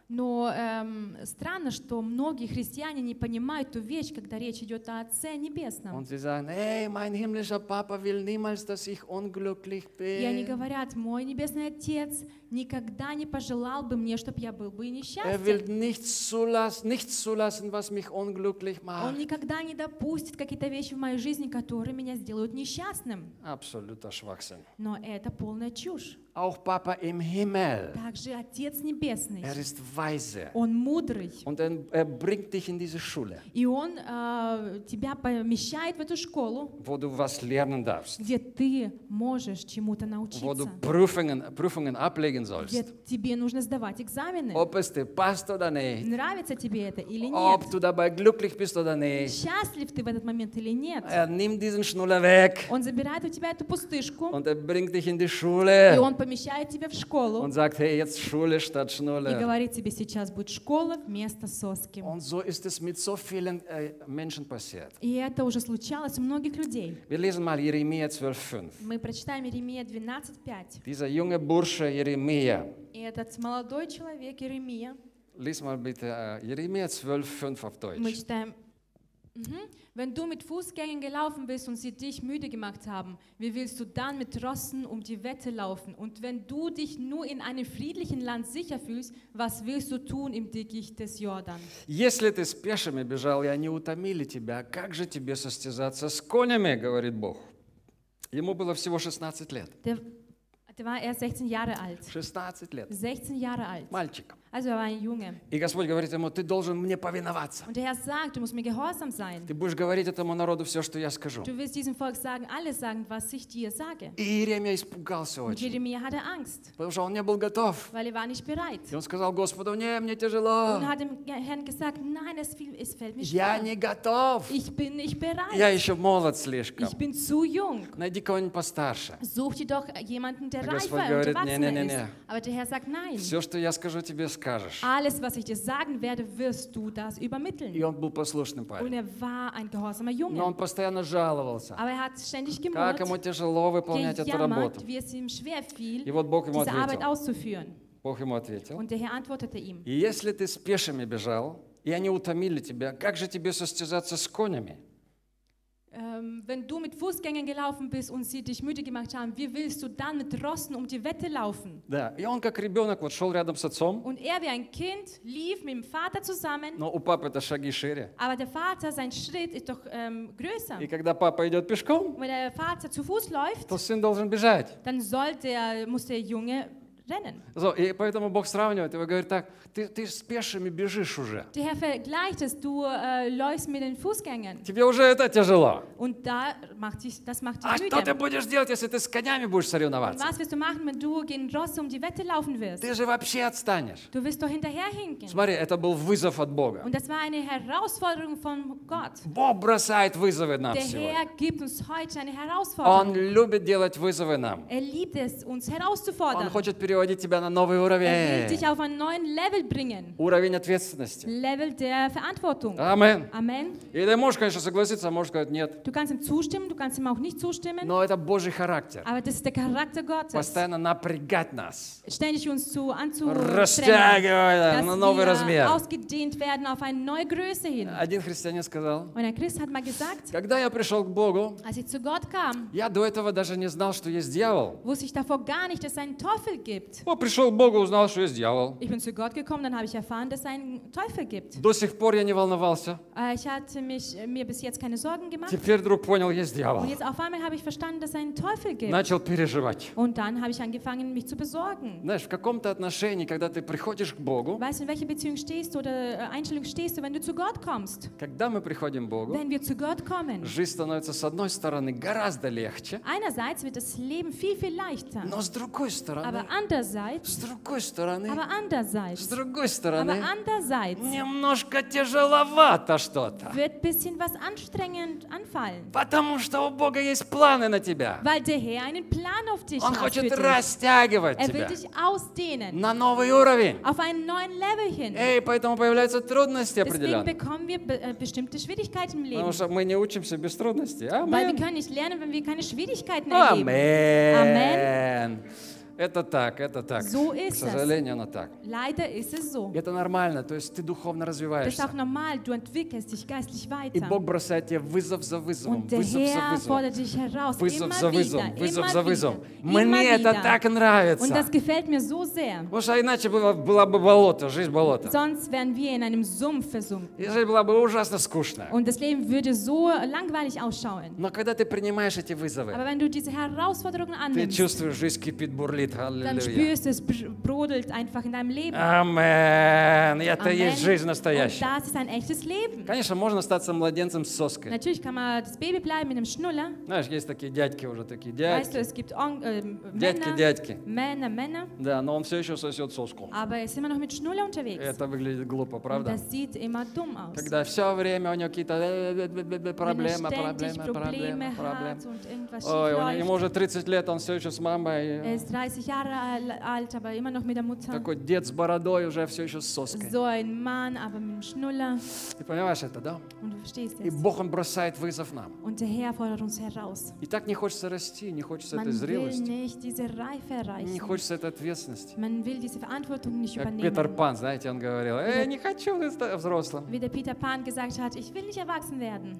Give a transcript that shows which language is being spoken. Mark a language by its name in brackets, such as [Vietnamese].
[Russian] Но странно, что многие христиане не понимают ту вещь, когда речь идет о Отце Небесном. [German] Und sie sagen: Hey, mein himmlischer Papa will niemals, dass ich unglücklich bin. [Russian] И они говорят: Мой небесный Отец никогда не пожелал бы мне, чтобы я был бы несчастен. [German] Er will nichts zulassen, was mich unglücklich macht. [Russian] Он никогда не допустит какие-то вещи в моей жизни, которые меня сделают несчастным. [German] Absoluter Schwachsinn. [Russian] Но это полная чушь. [German] Auch Papa im Himmel. [Russian] Также Отец Небесный. [German] Er ist weise. [Russian] Он мудрый. [German] Und er bringt dich in diese Schule. [Russian] И он тебя помещает в эту школу. [German] Wo du was lernen darfst. [Russian] Где ты можешь чему-то научиться. [German] Wo du Prüfungen ablegen sollst. [Russian] Где тебе нужно сдавать экзамены. [German] Ob es dir passt oder nicht. [Russian] Нравится тебе это или нет. [German] Ob du dabei glücklich bist oder nicht. [Russian] Счастлив ты в этот момент или нет. [German] Er nimmt diesen Schnuller weg. [Russian] Он забирает у тебя эту пустышку. [German] Und er bringt dich in die Schule. [Russian] Он помещает тебя в школу. [German] Und sagt, hey, jetzt Schule statt Schnuller. [Russian] И говорит тебе, сейчас будет школа вместо соски. [German] Und so ist es mit so vielen Menschen passiert. [Russian] И это уже случалось у многих людей. [German] Wir lesen mal Jeremia 12:5. [Russian] Мы прочитаем Иеремия 12:5. [German] Dieser junge Bursche Jeremia. [Russian] И этот молодой человек Иеремия. [German] Lies mal bitte Jeremia 12:5 auf Deutsch. [Russian] Мы читаем. Mhm. [German] Wenn du mit Fußgängern gelaufen bist und sie dich müde gemacht haben, wie willst du dann mit Rossen um die Wette laufen? Und wenn du dich nur in einem friedlichen Land sicher fühlst, was willst du tun im Dickicht des Jordan? [Russian] Если ты с пешими бежал, и они утомили тебя, как же тебе состязаться с конями, говорит Бог. Ему было всего 16 лет. [German] Er war erst 16 Jahre alt. [Russian] 16 лет. [German] 16 Jahre alt. [Russian] Мальчик. [German] Also er war ein Junge. [Russian] И Господь говорит ему, ты должен мне повиноваться. [German] Und der Herr sagt, du musst mir gehorsam sein. [Russian] Ты будешь говорить этому народу все, что я скажу. [German] Du wirst diesem Volk sagen, alles sagen, was ich dir sage. [Russian] И Иеремия испугался очень. [German] Und Jeremia hatte Angst. [Russian] Потому что он не был готов. [German] Weil er war nicht bereit. [Russian] И он сказал Господу, не, мне тяжело. [German] Und hat dem Herrn gesagt, nein, es fällt mir schwer. [Russian] Я не готов. [German] Ich bin nicht bereit. [Russian] Я еще молод слишком. [German] Ich bin zu jung. [Russian] Найди кого-нибудь постарше. [German] Such dir doch jemanden, der [Russian] Господь говорит, не. [German] Aber der Herr sagt, nein. [Russian] Все, что я скажу тебе, скажешь. [German] Alles, was ich dir sagen werde, wirst du das übermitteln. [Russian] И он был послушным парень. [German] Und er war ein gehorsamer Junge. [Russian] Но он постоянно жаловался. [German] Aber er hat ständig gemurrt. [Russian] Как ему тяжело выполнять эту работу. [German] Wie es ihm schwer fiel, [Russian] и вот Бог ему [German] diese Arbeit auszuführen. [Russian] Бог ему ответил. [German] Und der Herr antwortete ihm. [Russian] Если ты с пешими бежал, и они утомили тебя, как же тебе состязаться с конями? [German] Wenn du mit Fußgängern gelaufen bist und sie dich müde gemacht haben, wie willst du dann mit Rossen um die Wette laufen? [Russian] Да. И он как ребенок вот шел рядом с отцом. [German] Und er wie ein Kind lief mit dem Vater zusammen. [Russian] Но у папы это шаги шире. [German] Aber der Vater, sein Schritt ist doch größer. [Russian] И когда папа идет пешком, [German] wenn der Vater zu Fuß läuft, [Russian] то сын должен бежать. [German] Dann muss der Junge rennen. So, [Russian] и поэтому Бог сравнивает его, говорит так, ты с пешими бежишь уже. [German] Der Herr vergleicht es, du läufst mit den Fußgängern. [Russian] Тебе уже это тяжело. [German] Und da macht dich, das macht dich müde. [Russian] А что ты будешь делать, если ты с конями будешь соревноваться? [German] Was wirst du machen, wenn du gegen Rosse um die Wette laufen wirst? [Russian] Ты же вообще отстанешь. [German] Du wirst doch hinterherhinken. [Russian] Смотри, это был вызов от Бога. [German] Und das war eine Herausforderung von Gott. [Russian] Бог бросает вызовы нам сегодня. [German] Der Herr gibt uns heute eine Herausforderung. [Russian] Он любит делать вызовы нам. [German] Er liebt es, uns herauszufordern. [Russian] Он хочет переводить тебя на новый уровень. Уровень ответственности. [German] Level der Verantwortung. Amen. Amen. [Russian] И ты можешь, конечно, согласиться, а можешь сказать нет. [German] Du kannst ihm zustimmen, du kannst ihm auch nicht zustimmen. [Russian] Но это Божий характер. [German] Aber das ist der Charakter Gottes. [Russian] Постоянно напрягать нас. [German] Ständig uns zu [Russian] растягивая на новый размер. [German] Ausgedehnt werden auf eine neue Größe hin. [Russian] Один христианин сказал. [German] Und ein Christ hat mal gesagt. [Russian] Когда я пришел к Богу. [German] Als ich zu Gott kam. [Russian] Я до этого даже не знал, что есть дьявол. [German] Wusste ich davor gar nicht, dass es einen Teufel gibt. [Russian] Ну, пришел к Богу, узнал, что есть дьявол. [German] Ich bin zu Gott gekommen, dann habe ich erfahren, dass es einen Teufel gibt. [Russian] До сих пор я не волновался. [German] Ich hatte mir bis jetzt keine Sorgen gemacht. [Russian] Теперь вдруг понял, есть дьявол. [German] Und jetzt auf einmal habe ich verstanden, dass es einen Teufel gibt. [Russian] Начал переживать. [German] Und dann habe ich angefangen, mich zu besorgen. [Russian] Знаешь, в каком-то отношении, когда ты приходишь к Богу, [German] weißt du, in welcher Beziehung stehst du oder Einstellung stehst du, wenn du zu Gott kommst? [Russian] Когда мы приходим к Богу, [German] wenn wir zu Gott kommen, [Russian] жизнь становится с одной стороны гораздо легче. [German] Einerseits wird das Leben viel, viel leichter. [Russian] Но с другой стороны, [German] aber andererseits, [Russian] с другой стороны, [German] aber andererseits, [Russian] с другой стороны, [German] aber andererseits, [Russian] немножко тяжеловато что-то, [German] wird ein bisschen was anstrengend anfallen, [Russian] потому что у Бога есть планы на тебя, [German] weil der Herr einen Plan auf dich [Russian] Он [German] hat [Russian] хочет растягивать [German] er [Russian] тебя, [German] will dich ausdehnen, [Russian] на новый уровень, [German] auf einen neuen Level hin, [Russian] и поэтому появляются трудности определенные, [German] deswegen bekommen wir bestimmte Schwierigkeiten im Leben, [Russian] потому что мы не учимся без трудностей, Amen. [German] Weil wir können nicht lernen, wenn wir keine Schwierigkeiten erleben, Amen. Amen. [Russian] Это так, [German] so ist [Russian] к сожалению, оно так. [German] Leider ist es so. [Russian] Это нормально, то есть ты духовно развиваешься. [German] Das ist auch normal, du entwickelst dich geistlich weiter. [Russian] И Бог бросает тебе вызов за вызовом, [German] Und der [Russian] вызов [German] Herr [Russian] за вызовом. [German] Fordert dich heraus. [Russian] Вызов [German] immer [Russian] за вызовом, вызов за вызовом. Мне это так нравится. [German] Und das gefällt mir so sehr. [Russian] Потому что иначе была бы болото, жизнь болото. [German] Sonst wären wir in einem Sumpf versunken. [Russian] И жизнь была бы ужасно скучная. [German] Und das Leben würde so langweilig ausschauen. [Russian] Но когда ты принимаешь эти вызовы, [German] Aber wenn du diese Herausforderungen annimmst, [Russian] ты чувствуешь, жизнь кипит, бурлит. [German] Dann spürst du, es brodelt einfach in deinem Leben. Amen. [Russian] Это есть жизнь настоящая. [German] Und das ist ein echtes Leben. [Russian] Конечно, можно остаться младенцем с соской. [German] Natürlich kann man das Baby bleiben mit einem Schnuller. [Russian] Знаешь, есть такие дядьки уже такие дядьки. [German] Weißt du, es gibt [Russian] дядьки. [German] Männer. [Russian] Да, но он все еще сосет соску. [German] Aber er ist immer noch mit Schnuller unterwegs. [Russian] Это выглядит глупо, правда? [German] Das sieht immer dumm aus. [Russian] Когда все время у него какие-то проблемы, проблемы. Ой, ему уже 30 лет, он все еще с мамой. [German] Jahre alt, aber immer noch mit der Mutter. [Russian] Такой дед с бородой уже все еще с соской. [German] So ein Mann, aber mit dem Schnuller. [Russian] Ты понимаешь это, да? [German] Und du verstehst [Russian] И Бог он бросает вызов нам. [German] Und der Herr fordert uns heraus. [Russian] И так не хочется расти, не хочется [German] Man [Russian] этой зрелости. [German] Will nicht diese Reife erreichen. [Russian] Не хочется этой ответственности. [German] Man will diese Verantwortung nicht [Russian] как [German] übernehmen. [Russian] Питер Пан, знаете, он говорил, не хочу взрослым. [German] Wie der Peter Pan gesagt hat, ich will nicht erwachsen werden.